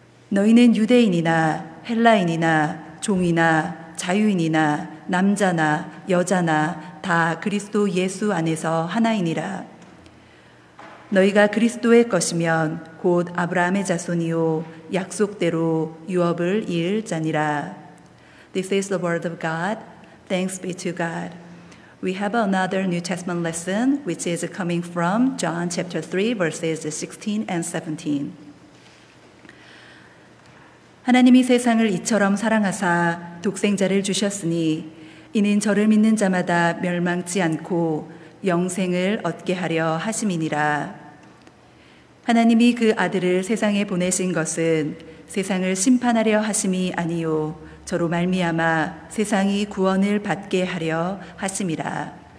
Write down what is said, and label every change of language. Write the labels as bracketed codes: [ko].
[ko] 너희는 유대인이나 헬라인이나 종이나 자유인이나 남자나 여자나 다 그리스도 예수 안에서 하나이니라. 너희가 그리스도의 것이면 곧 아브라함의 자손이요 약속대로 유업을 이을 자니라. [en] This is the word of God. Thanks be to God. We have another New Testament lesson, which is coming from John chapter 3, verses 16 and 17. [ko] 하나님이 세상을 이처럼 사랑하사 독생자를 주셨으니 이는 저를 믿는 자마다 멸망치 않고 영생을 얻게 하려 하심이니라. 하나님이 그 아들을 세상에 보내신 것은 세상을 심판하려 하심이 아니요 저로 말미암아 세상이 구원을 받게 하려 하심이라.